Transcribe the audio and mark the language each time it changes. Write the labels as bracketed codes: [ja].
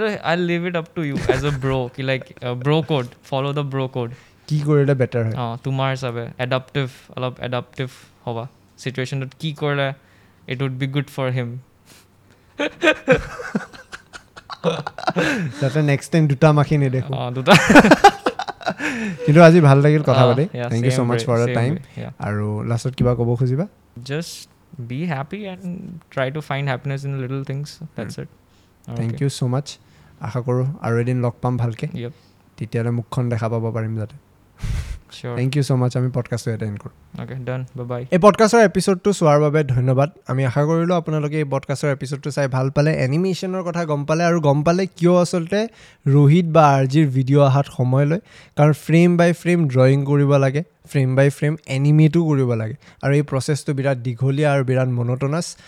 [en] I leave it up to you as a bro কি like bro code follow the bro code [as] কি কৰিলে better হয় অঁ তোমাৰ হিচাপে এডাপটিভ অলপ এডাপটিভ হ'বা চিটুৱেশ্যনটোত কি কৰিলে [en] it would be good for him [as] যাতে নেক্সট টাইম দুটা মাখি নেদেখো অঁ দুটা কিন্তু আজি ভাল লাগিল কথা পাতি [en] thank you so much for the time [as] আর লাস্টত কিবা কব খুজিবা [en] just be happy and try to find happiness in little things that's it thank you so much [as] আশা করো আর এদিন লগ পাম ভালকে তেতিয়ালে মুখখন দেখা পাব পারিম যাতে [en] thank you so much [as] আমি পডকাস্টটো এটেন্ড কৰো [en] okay done bye bye [as] এই পডকাস্টৰ এপিসোডটো চোৱাৰ বাবে ধন্যবাদ আমি আশা কৰিলোঁ আপোনালোকে এই পডকাস্টৰ এপিসোডটো চাই ভাল পালে এনিমেশ্যনৰ কথা গম পালে আৰু গম পালে কিয় আচলতে ৰোহিত বা আৰজিৰ ভিডিঅ' অহাত সময় লয় কাৰণ ফ্ৰেম বাই ফ্ৰেম ড্ৰয়িং কৰিব লাগে ফ্ৰেম বাই ফ্ৰেম এনিমেটো কৰিব লাগে আৰু এই প্ৰচেছটো বিৰাট দীঘলীয়া আৰু বিৰাট মনোটনাস